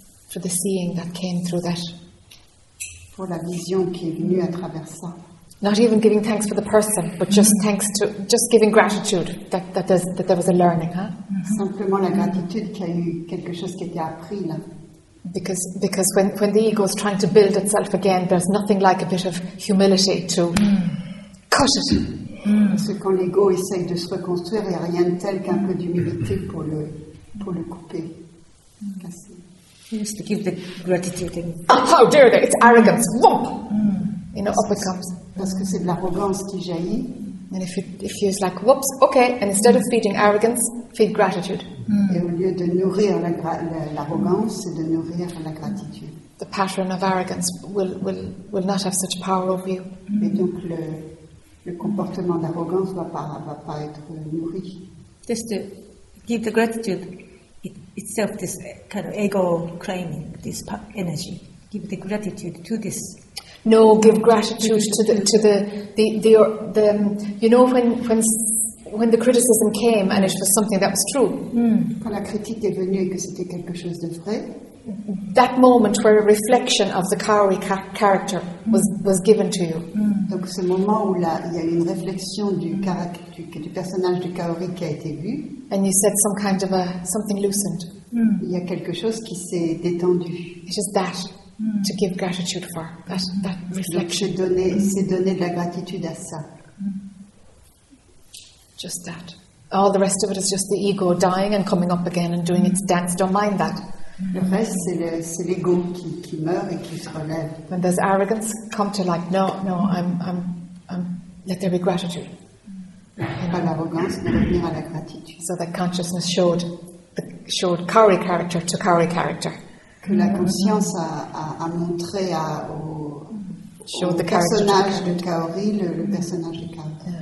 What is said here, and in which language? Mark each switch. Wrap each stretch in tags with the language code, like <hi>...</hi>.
<en>for the seeing that came through that,</en> <fr>pour la vision qui est venue à travers ça.</fr> <en>Not even giving thanks for the person, but just mm-hmm. thanks to just giving gratitude that there was a learning, huh?</en> <fr>Simplement la gratitude qu'il y a eu quelque chose qui a été appris là.</fr> <en>Because when the ego is trying to build itself again, there's nothing like a bit of humility to cut it.</en> <fr>Parce que quand l'ego essaye de se reconstruire, il n'y a rien de tel qu'un peu d'humilité pour le couper.</fr> <en>To give the gratitude. Oh, how dare they! It's arrogance. Whoop! You know, up it comes.</en> <fr>Parce que c'est de l'arrogance qui jaillit.</fr> <en>And if you're like, whoops, okay, and instead of feeding arrogance, feed gratitude. Mm.</en> <fr>Et au lieu de nourrir l'arrogance, c'est de nourrir la gratitude.</fr> <en>The pattern of arrogance will not have such power over you. Mm.</en> <fr>Et donc le comportement d'arrogance va pas être nourri.</fr> <en>Just to give the gratitude itself, this kind of ego claiming, this energy. Give the gratitude to this. No, give gratitude when the criticism came and it was something that was true.</en> <fr>Quand la critique est venue et que c'était quelque chose de vrai.</fr> <en>That moment where a reflection of the Kauri character was given to you.</en> <fr>Donc ce moment où il y a une réflexion du personnage du Kauri qui a été vu.</fr> <en>And you said some kind of something loosened.</en> <fr>Il y a quelque chose qui s'est détendu.</fr> <en>It's just that. To give gratitude for that reflection.</en> <fr>C'est donner de la gratitude à ça.</fr> <en>Just that. All the rest of it is just the ego dying and coming up again and doing its dance. Don't mind that.</en> <fr>Le reste, c'est l'ego qui meurt et qui se relève.</fr> <en>When there's arrogance, come to like, no, I'm let there be gratitude.</en> <fr>Pas know? L'arrogance, mais revenir à la gratitude.</fr> <en>So that consciousness showed Kauri character to Kauri character.</en> <fr>Que la conscience a montré au</fr> <en>the</en> <fr>personnage de Kaori, le personnage de Kaori.</fr>